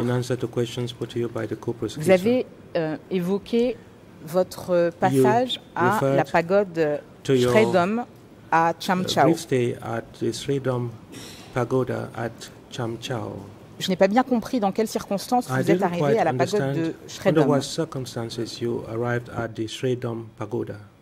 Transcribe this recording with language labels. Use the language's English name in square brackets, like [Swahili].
[English] In answer to questions put to you by the co-prosecutor. [French] Vous avez évoqué votre passage à la pagode Shredom à Cham Chau. Je n'ai pas bien compris dans quelles circonstances vous êtes arrivé à la pagode de Shredom. [English] Under what circumstances you arrived at the Shredom pagoda?